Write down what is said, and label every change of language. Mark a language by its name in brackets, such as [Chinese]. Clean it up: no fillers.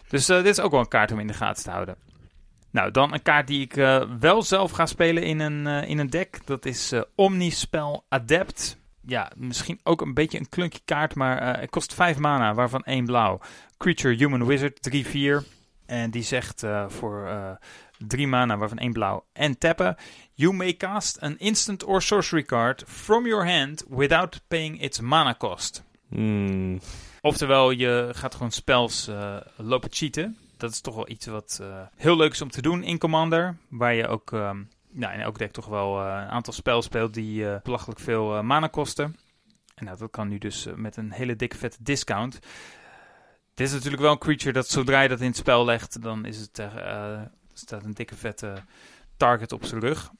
[Dutch] Dus dit is ook wel een kaart om in de gaten te houden. Nou, dan een kaart die ik wel zelf ga spelen in een deck. Dat is Omnispel Adept. Ja, misschien ook een beetje een klunky kaart, maar het kost 5 mana, waarvan 1 blauw. Creature Human Wizard, 3-4. En die zegt voor 3 mana, waarvan 1 blauw en tappen. [English] You may cast an instant or sorcery card from your hand without paying its mana cost. [Dutch] Oftewel, je gaat gewoon spells lopen cheaten. Dat is toch wel iets wat heel leuk is om te doen in Commander. Waar je ook in elk deck toch wel een aantal spells speelt die belachelijk veel mana kosten. En nou, dat kan nu dus met een hele dikke vette discount. Dit is natuurlijk wel een creature dat zodra je dat in het spel legt, dan is het staat een dikke vette target op zijn rug.